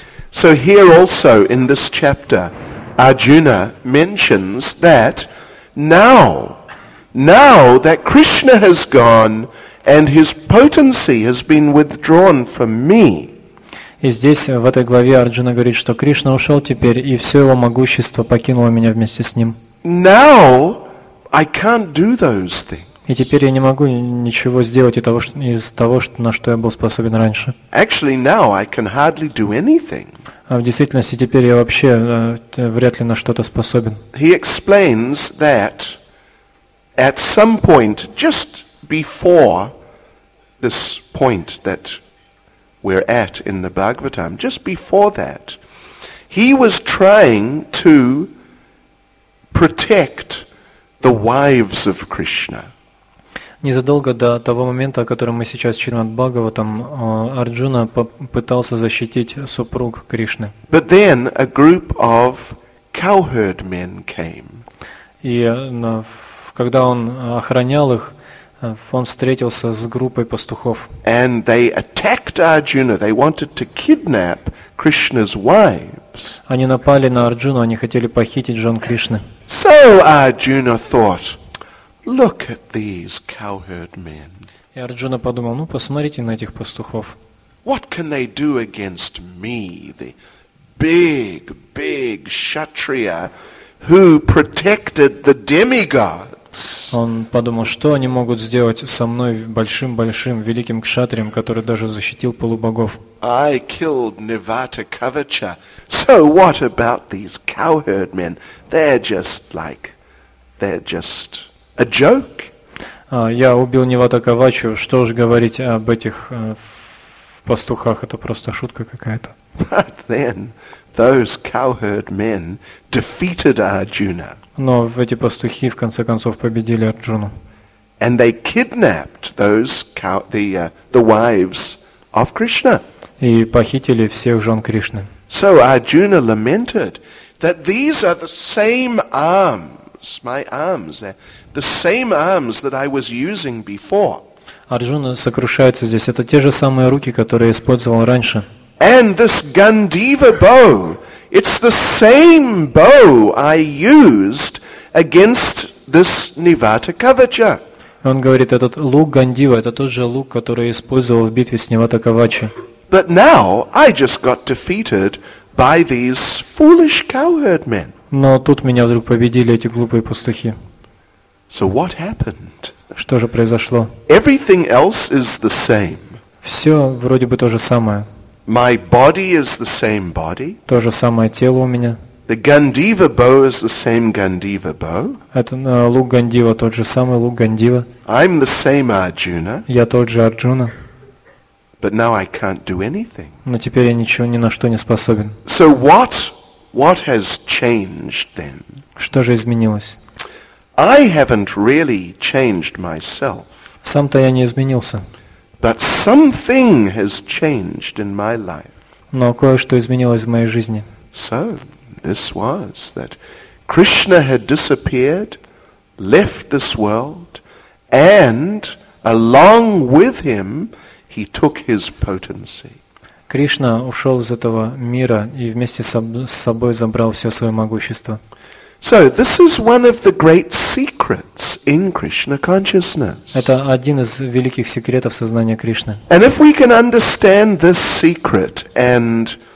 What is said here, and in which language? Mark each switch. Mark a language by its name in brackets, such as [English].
[English] So here also in this chapter, Arjuna mentions that now that Krishna has gone and his potency has been withdrawn from me. [Russian] И здесь, в этой главе, Арджуна говорит, что Кришна ушел теперь, и все его могущество покинуло меня вместе с ним. [English] Now I can't do those things. [Russian] И теперь я не могу ничего сделать из того, на что я был способен раньше. [English] Actually, now I can hardly do anything. [Russian] А в действительности теперь я вообще вряд ли на что-то способен. [English] He explains that at some point, just before this point that we're at in the Bhagavatam, just before that, he was trying to protect the wives of Krishna. [Russian] Незадолго до того момента, о котором мы сейчас читаем от Бхагаватам, Арджуна пытался защитить супруг Кришны. [English] But then a group of cowherd men came. [Russian] И когда он охранял их, он встретился с группой пастухов. [English] And they attacked Arjuna. They wanted to kidnap Krishna's wives. [Russian] Они напали на Арджуну, они хотели похитить жен Кришны. [English] So Arjuna thought, look at these cowherd men. [Russian] И Арджуна подумал, ну посмотрите на этих пастухов. [English] What can they do against me, the big, big kshatriya who protected the demigods? [Russian] Он подумал, что они могут сделать со мной большим-большим великим кшатрием, который даже защитил полубогов. [English] I killed Nivata Kavacha. So what about these cowherd men? They're just a joke. [Russian] Я убил Нивата Кавачу. Что уж говорить об этих пастухах? Это просто шутка какая-то. [English] But then those cowherd men defeated Arjuna. [Russian] Но эти пастухи в конце концов победили Арджуну. [English] And they kidnapped the wives of Krishna. [Russian] И похитили всех жен Кришны. [English] So Arjuna lamented that these are the same arms, my arms, the same arms that I was using before. [Russian] Арджуна сокрушается здесь. Это те же самые руки, которые использовал раньше. [English] And this Gandiva bow, it's the same bow I used against this Nivata Kavacha. [Russian] Он говорит, этот лук Гандива, это тот же лук, который использовал в битве с Нивата Кавачи. [English] But now I just got defeated by these foolish cowherd men. [Russian] Но тут меня вдруг победили эти глупые пастухи. [English] So what happened? [Russian] Что же произошло? [English] Everything else is the same. [Russian] Все вроде бы то же самое. [English] My body is the same body. [Russian] То же самое тело у меня. [English] The Gandiva bow is the same Gandiva bow. [Russian] Это лук Гандива, тот же самый лук Гандива. [English] I'm the same Arjuna. [Russian] Я тот же Арджуна. [English] But now I can't do anything. [Russian] Но теперь я ничего ни на что не способен. [English] So what has changed then? [Russian] Что же изменилось? [English] I haven't really changed myself. [Russian] Сам-то я не изменился. [English] But something has changed in my life. [Russian] Но кое-что изменилось в моей жизни. [English] So, this was that Krishna had disappeared, left this world, and along with him, he took his potency. [Russian] Кришна ушел из этого мира и вместе с собой забрал все свое могущество. [English] So this is one of the great secrets in Krishna consciousness. [Russian] Это один из великих секретов сознания Кришны. [English] And if we can understand this secret and